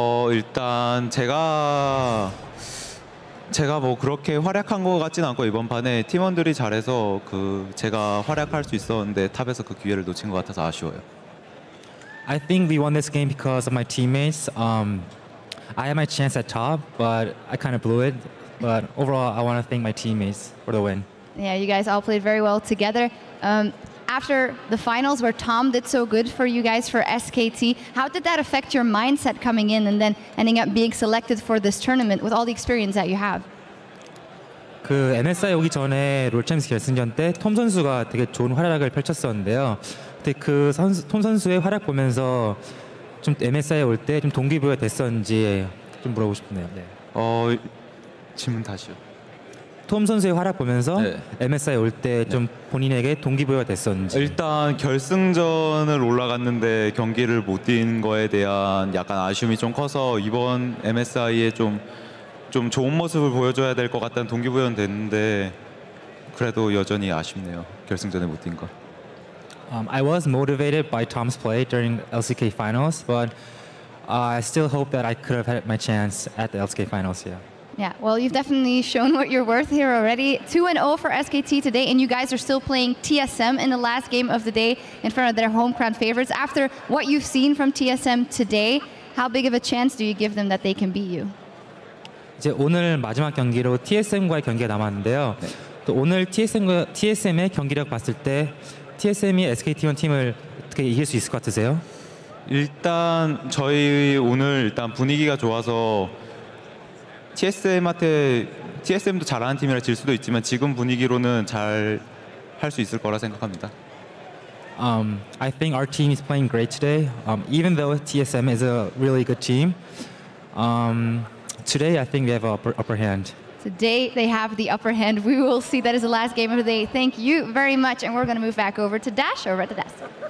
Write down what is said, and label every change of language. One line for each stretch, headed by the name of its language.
Korean: 일단 제가 뭐 그렇게 활약한 것 같진 않고 이번 판에 팀원들이 잘해서 그 제가 활약할 수 있었는데 탑에서 그 기회를 놓친 것 같아서 아쉬워요.
English: I think we won this game because of my teammates. I had my chance at top, but I kind of blew it. But overall, I want to thank my teammates for the win. Yeah, you guys all played very well together. After the finals where Tom did so good for you guys for SKT, how did that affect your mindset coming in and then ending up being selected for this tournament with all the experience that you have?
Korean: 그 MSI 오기 전에 롤챔스 결승전 때 톰 선수가 되게 좋은 활약을 펼쳤었는데요. 그때 그 톰 선수의 활약 보면서 좀 MSI에 올 때 좀 동기부여 됐었는지 좀 물어보고 싶네요. 네. 질문 다시요. 톰 선수의 활약 보면서 네. MSI에 올 때 좀 네. 본인에게 동기부여가 됐었는지. 일단 결승전을 올라갔는데 경기를 못 뛴 거에 대한 약간 아쉬움이 좀 커서 이번 MSI에 좀 좋은 모습을 보여줘야 될 것 같다는 동기부여는 됐는데 그래도 여전히 아쉽네요. 결승전에 못 뛴 거.
English: I was motivated by Tom's play during LCK finals, but I still hope that I could have had my chance at the LCK finals. Yeah. Yeah, well, you've definitely shown what you're worth here already. 2-0 for SKT today, and you guys are still playing TSM in the last game of the day in front of their home crowd favorites. After what you've seen from TSM today, how big of a chance do you give them that they can beat you?
Korean: 이제 오늘 마지막 경기로 TSM과의 경기가 남았는데요. 또 오늘 TSM의 경기력 봤을 때 TSM이 SKT1 팀을 어떻게 이길 수 있을 것 같으세요? 일단 저희 오늘 일단 분위기가 좋아서 TSM한테 TSM도 잘하는 팀이라 질 수도 있지만 지금 분위기로는 잘 할 수 있을 거라 생각합니다.
English: I think our team is playing great today. Even though TSM is a really good team, today I think we have an upper hand. Today they have the upper hand. We will see. That is the last game of the day. Thank you very much, and we're going to move back over to Dash over at the desk.